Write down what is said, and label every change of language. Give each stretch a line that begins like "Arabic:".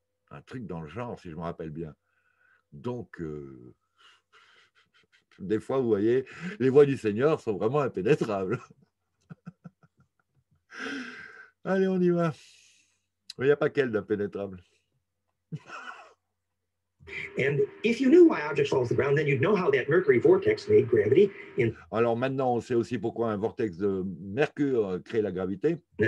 French: Un truc dans le genre, si je me rappelle bien. Donc, des fois, vous voyez, les voies du Seigneur sont vraiment impénétrables. Allez, on y va. Il n'y a pas qu'elle d'impénétrable.
English: And if you knew why objects fall to the ground, then you'd know how that mercury vortex made gravity.
French: Alors maintenant, on sait aussi pourquoi un vortex de mercure crée la gravité.